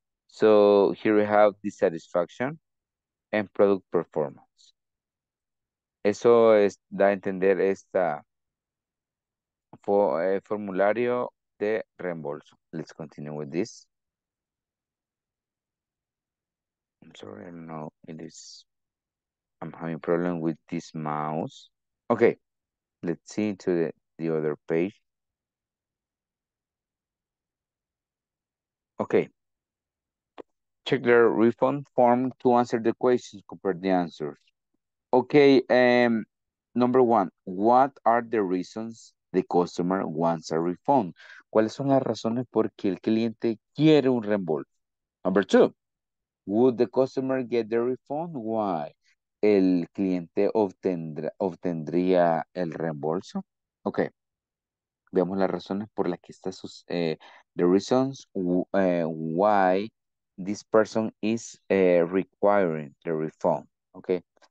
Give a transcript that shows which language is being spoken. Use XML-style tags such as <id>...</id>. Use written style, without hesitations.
<en>So, here we have dissatisfaction and product performance.</en> <es>Eso es, da a entender esta formulario de reembolso.</es> <en>Let's continue with this. I'm sorry, no, it is, I'm having a problem with this mouse. Okay, let's see to the other page. Okay, check their refund form to answer the questions, compare the answers. Okay, number one, what are the reasons the customer wants a refund?</en> <es>¿Cuáles son las razones por qué el cliente quiere un reembolso?</es> <en>Number two, would the customer get the refund?</en> <es>Why? ¿El cliente obtendría el reembolso?</es> <en>Okay, veamos las razones por las que está sus, the reasons why this person is requiring the refund, okay?</en>